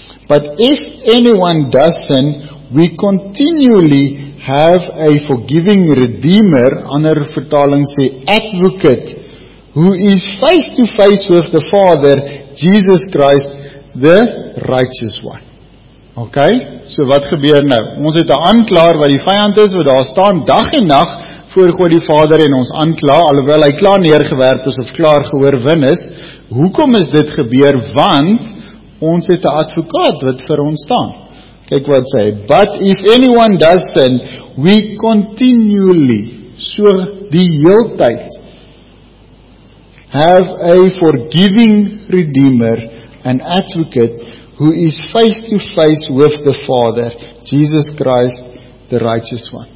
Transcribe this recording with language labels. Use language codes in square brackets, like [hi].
[en] But if anyone does sin, we continually have a forgiving redeemer, [af] ander vertaling sê, [en] advocate, who is face to face with the Father, Jesus Christ, the righteous one. [af] Okay, so wat gebeur nou? Ons het 'n aanklaer wat die vijand is, wat daar staan dag en nacht, voor God die Vader en ons aankla, alhoewel hy klaar neergewerp is of klaar geoorwin is. Hoekom is dit gebeur? Want ons het 'n advokaat wat vir ons staan. Kyk wat sê, [en] but if anyone does sin, we continually, [af] so die heel tyd, [en] have a forgiving redeemer, an advocate, who is face to face with the Father, Jesus Christ, the righteous one.